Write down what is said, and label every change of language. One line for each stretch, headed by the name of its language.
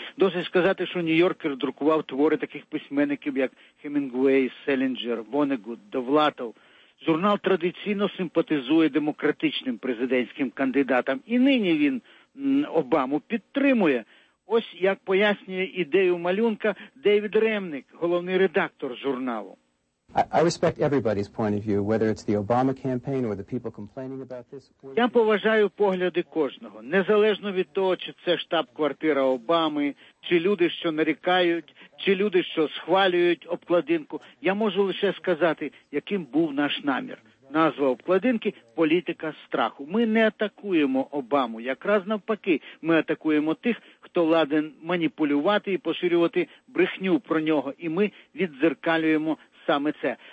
Ukrainian: Досить сказати, що «Нью-Йоркер» друкував твори таких письменників, як Хемінгуей, Селінджер, Вонегут, Довлатов. Журнал традиційно симпатизує демократичним президентським кандидатам. І нині він Обаму підтримує. Ось як пояснює ідею малюнка Девід Ремник, головний редактор журналу.
English: I respect everybody's point of view, whether it's the Obama campaign or the people complaining about this.
Ukrainian: Я поважаю погляди кожного, незалежно від того, чи це штаб-квартира Обами, чи люди, що нарікають, чи люди, що схвалюють обкладинку. Я можу лише сказати, яким був наш намір. Назва обкладинки – політика страху. Ми не атакуємо Обаму, якраз навпаки, ми атакуємо тих, хто ладен маніпулювати і поширювати брехню про нього, і ми віддзеркалюємо саме це.